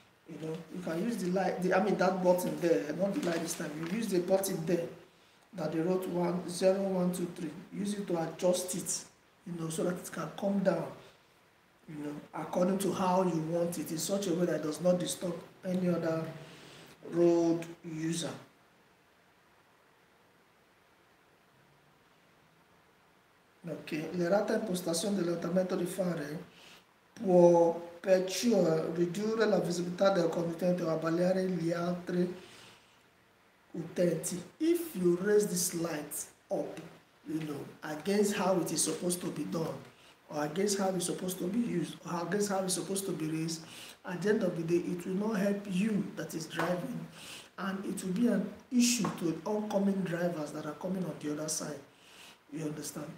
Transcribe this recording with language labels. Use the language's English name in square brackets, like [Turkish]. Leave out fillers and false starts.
[English] You know, you can use the light, that button there, not the light this time. You use the button there that they wrote 10123. Use it to adjust it, you know, so that it can come down, you know, according to how you want it, in such a way that it does not disturb any other road user. [Italian] Okay, l'errata impostazione dell'orientamento di fare può perciò ridurre la visibilità del conducente o abbagliare gli altri utenti. [English] If you raise this light up, you know, against how it is supposed to be done, or against how it's supposed to be used, or against how it's supposed to be raised, at the end of the day, it will not help you that is driving, and it will be an issue to oncoming drivers that are coming on the other side. You understand?